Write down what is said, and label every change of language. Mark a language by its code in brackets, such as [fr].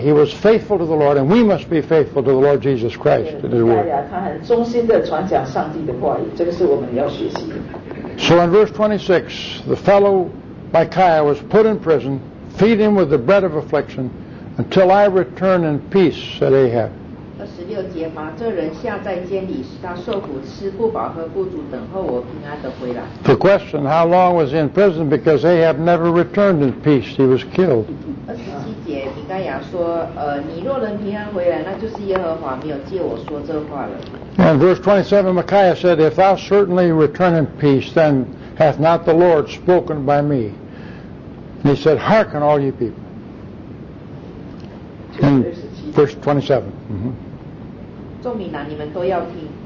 [en] He was faithful to the Lord, and we must be faithful to the Lord Jesus Christ in his word. So in verse 26, the fellow Micaiah was put in prison, feed him with the bread of affliction, until I return in peace, said Ahab. [zh] 六节，把这人下在监里，使他受苦，吃不饱，喝不足，等候我平安的回来。 [en] The question: how long was he in prison? Because Ahab never returned in peace; he was killed. [zh] 27节，米该亚说，你若能平安回来，那就是耶和华没有借我说这话了。 [en] And verse 27, Micaiah said, if thou certainly return in peace, then hath not the Lord spoken by me. And he said, hearken all ye people. In verse 27. Mm-hmm.